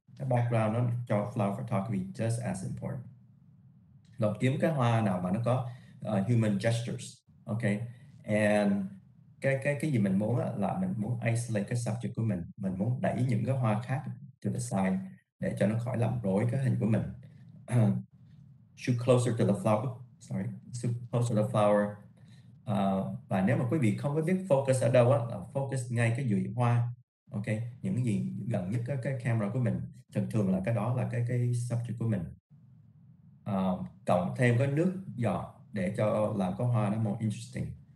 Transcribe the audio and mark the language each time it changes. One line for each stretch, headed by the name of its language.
Vietnamese: Cái background nó cho
English: flower photography just as important.
Vietnamese: Nó kiếm cái hoa nào mà nó có
English: human gestures,
Vietnamese: okay? And cái gì mình muốn là mình muốn isolate cái subject của mình muốn đẩy những cái hoa khác
English: to the side
Vietnamese: để cho nó khỏi làm rối cái hình của mình.
English: Shoot closer to the flower, sorry, shoot closer to the flower.
Vietnamese: Và nếu mà quý vị không có biết focus ở đâu á, focus ngay cái dụ hoa, okay? Những gì gần nhất cái camera của mình, thường thường là cái đó là cái subject của mình. Cộng thêm cái nước giọt để cho làm cái hoa nó
English: more interesting.